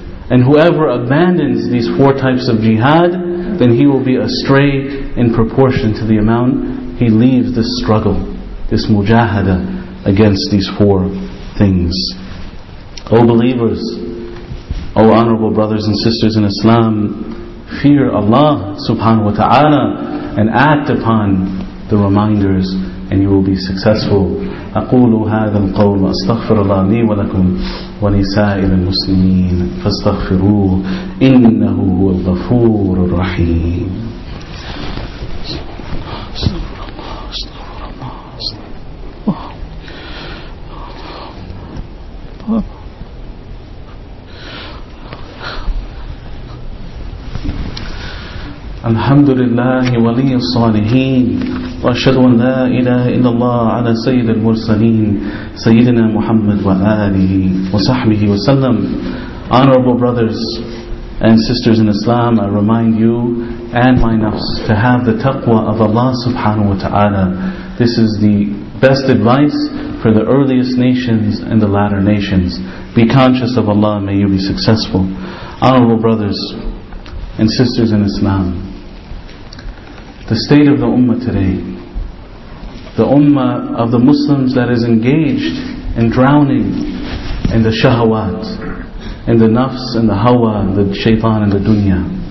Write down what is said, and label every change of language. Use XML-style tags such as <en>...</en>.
<en>And whoever abandons these four types of jihad, then he will be astray in proportion to the amount he leaves this struggle, this mujahada against these four things. O believers, O honorable brothers and sisters in Islam, fear Allah subhanahu wa ta'ala and act upon the reminders and you will be successful.</en> <ar>أقول هذا القول وأستغفر الله لي ولكم ولسائر المسلمين فاستغفروه إنه هو الغفور الرحيم. الحمد لله ولي الصالحين وأشهد أن لا إله إلا الله على سيد المرسلين سيدنا محمد وآله وصحبه وسلم.</ar> <en>Honorable brothers and sisters in Islam, I remind you and my nafs to have the taqwa of Allah subhanahu wa ta'ala. This is the best advice for the earliest nations and the latter nations. Be conscious of Allah, may you be successful. Honorable brothers and sisters in Islam, the state of the ummah today, the ummah of the Muslims that is engaged in drowning in the shahawat, in the nafs and the hawa, the shaitan and the dunya.</en>